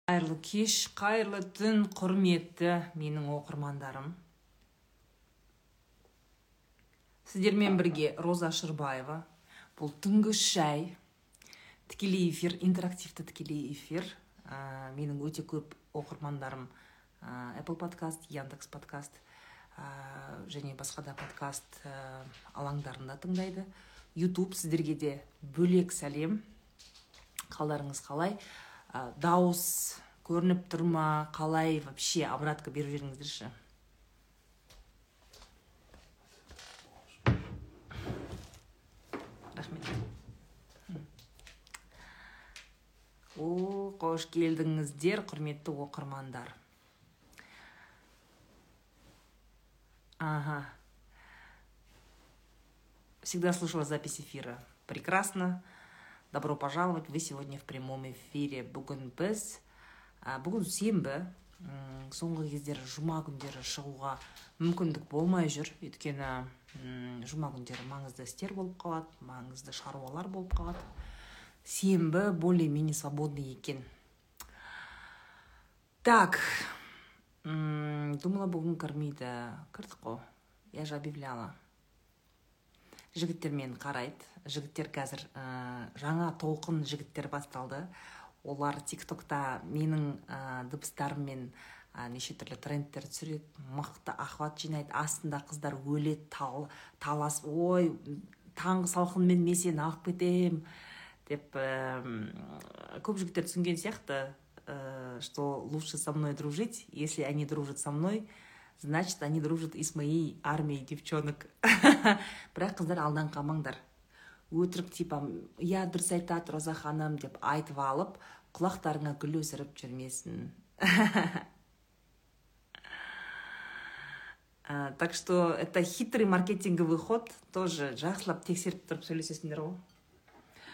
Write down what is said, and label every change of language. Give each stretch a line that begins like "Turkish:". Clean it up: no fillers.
Kazakh: Қайырлы кеш, қайырлы түн, құрметті менің оқырмандарым. Сіздермен бірге Роза Шырбаева. Бұл түнгі шай. Тікелей эфир, интерактивті тікелей эфир. Менің өте көп оқырмандарым Apple Podcast, Яндекс Podcast және басқа да подкаст алаңдарында тыңдайды. YouTube сіздерге де бөлек сәлем. Қалдарыңыз қалай? Дауыс көрініп тұр ма, қалай вообще обратка беріп жіберіңіздерші. Рахмет. О, қош келдіңіздер, құрметті оқырмандар. Ага.
Russian: Всегда слушала запись эфира. Прекрасно. Добро пожаловать. Вы сегодня в прямом эфире.
Kazakh: Бүгін біз, бүгін сенбі, соңғы кездері жұма күндері шығуға мүмкіндік болмай жүр. Өйткені жұма күндері маңызды істер болып қалады, маңызды шаруалар болып қалады.
Russian: Сенбі более-менее свободный екен.
Kazakh: Так, думала бүгін кірмейді. Кірдік қой. Я же объявляла. Жігіттер мен қарайды. Жігіттер қазір жаңа толқын жігіттер басталды. Олар TikTok-та менің дыбыстарыммен неше түрлі трендтер түсіреді, мықты ахват жинайды. Астында қыздар өледі, талас, ой, таңғы салқынмен мен сені алып кетем деп көп жігіттер түсінген сияқты, что лучше со мной дружить, если они дружат со мной.
Russian: Значит, они дружат и с моей армией девчонок.
Kazakh: Бірақ қыздар алдан қамаңдар. Өтірік типа, я дұрыс айтады, Роза ханым, деп айтып алып, құлақтарыңа гүл өсіріп жүрмесін.
Russian: Так что это хитрый маркетинговый ход, тоже жақсылап тексеріп тұрып сөйлесесіңдер ғой.